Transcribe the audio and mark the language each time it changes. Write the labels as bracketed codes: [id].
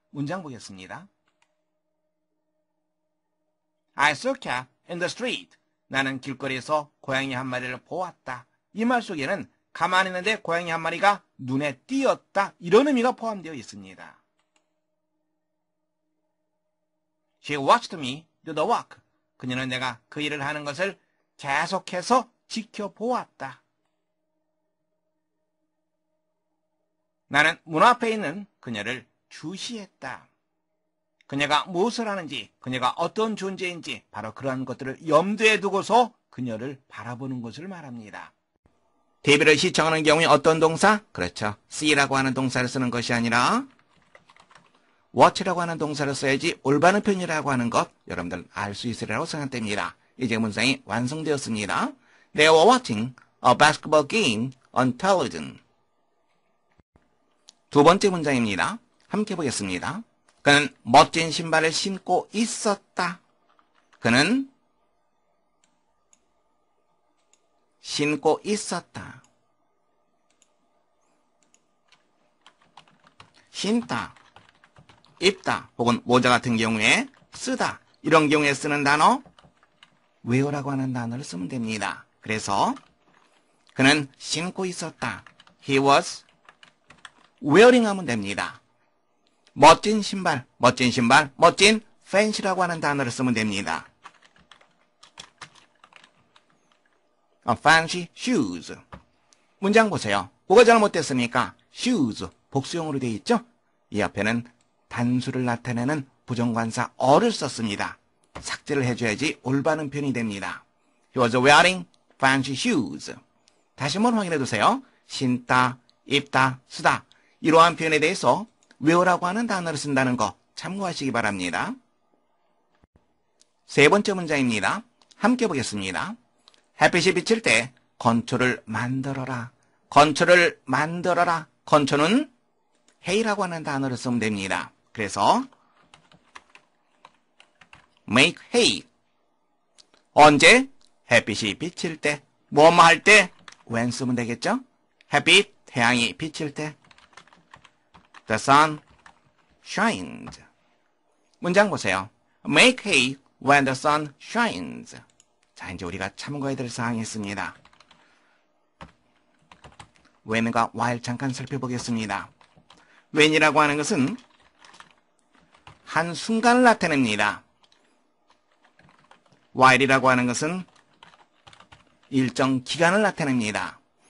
[ko] 문장 보겠습니다. [en] I saw cat in the street. [ko] 나는 길거리에서 고양이 한 마리를 보았다. 이 말 속에는 가만히 있는데 고양이 한 마리가 눈에 띄었다 이런 의미가 포함되어 있습니다. [en] She watched me do the walk. [ko] 그녀는 내가 그 일을 하는 것을 계속해서 지켜보았다. 나는 문 앞에 있는 그녀를 주시했다. 그녀가 무엇을 하는지, 그녀가 어떤 존재인지 바로 그러한 것들을 염두에 두고서 그녀를 바라보는 것을 말합니다. TV를 시청하는 경우에 어떤 동사? 그렇죠. see라고 하는 동사를 쓰는 것이 아니라 watch라고 하는 동사를 써야지 올바른 표현이라고 하는 것 여러분들 알 수 있으리라고 생각됩니다. 이제 문장이 완성되었습니다. [en] They were watching a basketball game on television. [ko] 두 번째 문장입니다. 함께 보겠습니다. 그는 멋진 신발을 신고 있었다. 그는 신고 있었다. 신다, 입다 혹은 모자 같은 경우에 쓰다 이런 경우에 쓰는 단어 wear라고 하는 단어를 쓰면 됩니다. 그래서 그는 신고 있었다. [en] He was wearing [ko] 하면 됩니다. 멋진 신발, 멋진 신발, 멋진 fancy라고 하는 단어를 쓰면 됩니다. [en] A fancy shoes. [ko] 문장 보세요. 뭐가 잘못됐습니까? shoes, 복수형으로 되어 있죠? 이 앞에는 단수를 나타내는 부정관사 어를 썼습니다. 삭제를 해줘야지 올바른 표현이 됩니다. [en] He was wearing fancy shoes. [ko] 다시 한번 확인해두세요. 신다, 입다, 쓰다. 이러한 표현에 대해서 wear라고 하는 단어를 쓴다는 거 참고하시기 바랍니다. 세 번째 문장입니다. 함께 보겠습니다. 햇빛이 비칠 때 건초를 만들어라. 건초를 만들어라. 건초는 hay라고 하는 단어를 쓰면 됩니다. 그래서 [en] make hay. [ko] 언제? 햇빛이 비칠 때. 뭐뭐 할 때? when 쓰면 되겠죠? 햇빛, 태양이 비칠 때. [en] The sun shines. [ko] 문장 보세요. [en] Make hay when the sun shines. [ko] 자, 이제 우리가 참고해야 될 사항이 있습니다. 웬과 와일 잠깐 살펴보겠습니다. 웬이라고 하는 것은 한 순간을 나타냅니다. 와일이라고 하는 것은 일정 기간을 나타냅니다.